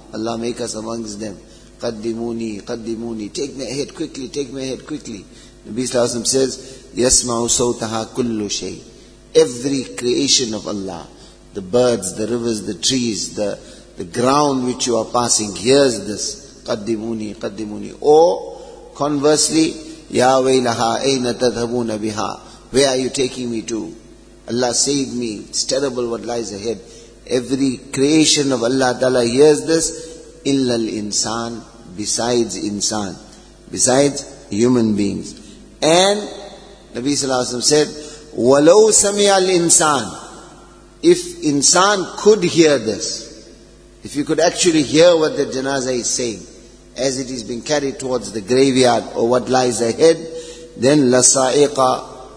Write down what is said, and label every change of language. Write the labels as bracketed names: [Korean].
[English] Allah make us amongst them. [Arabic] Qaddimuni, qaddimuni. [English] Take me ahead quickly, take me ahead quickly. Nabi sallallahu alayhi wa sallam says, [Arabic] Yasma'u sawtaha kullu shay. [English] Every creation of Allah, the birds, the rivers, the trees, the ground which you are passing, hears this, [Arabic] قَدِّمُونِي قَدِّمُونِي. [English] Or conversely, [Arabic] يَا وَيْلَهَا أَيْنَ تَذْهَبُونَ بِهَا. [English] Where are you taking me to? Allah save me, it's terrible what lies ahead. Every creation of Allah Ta'ala hears this, [Arabic] إِلَّا الْإِنسَانِ, [English] besides insan, besides human beings. And Nabi Sallallahu Alaihi Wasallam said, [Arabic] وَلَوْ سَمِعَ الْإِنسَانِ, [English] if insan could hear this, if you could actually hear what the janazah is saying, as it is being carried towards the graveyard or what lies ahead, then [Arabic] لَصَائِقَ,